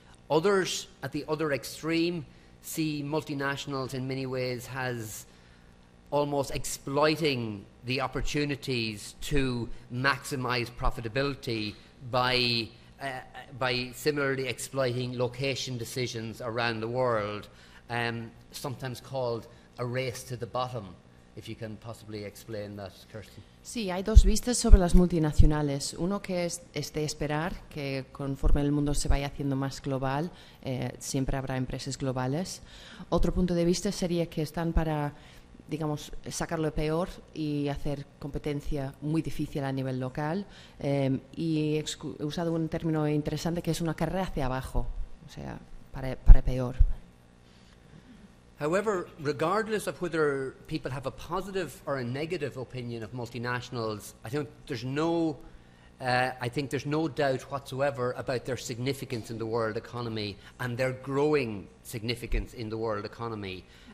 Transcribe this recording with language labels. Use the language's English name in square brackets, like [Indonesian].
[English] Others, at the other extreme, see multinationals in many ways as almost exploiting the opportunities to maximize profitability by similarly exploiting location decisions around the world, sometimes called a race to the bottom. If you can possibly explain that, Kerstin. [Spanish] Sí, hay dos vistas sobre las multinacionales. Uno que es de esperar, que conforme el mundo se vaya haciendo más global, siempre habrá empresas globales. Otro punto de vista sería que están para, digamos, sacar lo peor y hacer competencia muy difícil a nivel local. Y he usado un término interesante que es una carrera hacia abajo, o sea, para peor. [English] However, regardless of whether people have a positive or a negative opinion of multinationals, I think there's no doubt whatsoever about their significance in the world economy and their growing significance in the world economy.